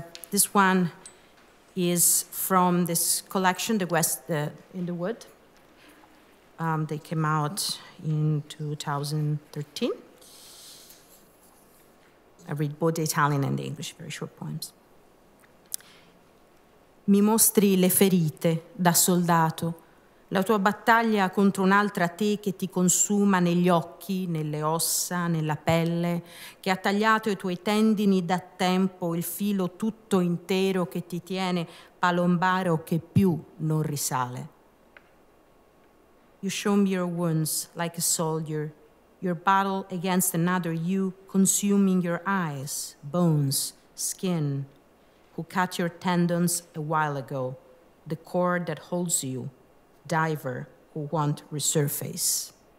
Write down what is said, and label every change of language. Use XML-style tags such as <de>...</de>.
<en>This one is from this collection, The West in the Wood. They came out in 2013. I read both the Italian and the English, very short poems.</en> <it>Mi mostri le ferite da soldato, la tua battaglia contro un'altra te che ti consuma negli occhi, nelle ossa, nella pelle, che ha tagliato i tuoi tendini da tempo, il filo tutto intero che ti tiene palombaro che più non risale.</it> <en>You show me your wounds like a soldier, your battle against another you, consuming your eyes, bones, skin, who cut your tendons a while ago, the cord that holds you, diver who won't resurface.</en>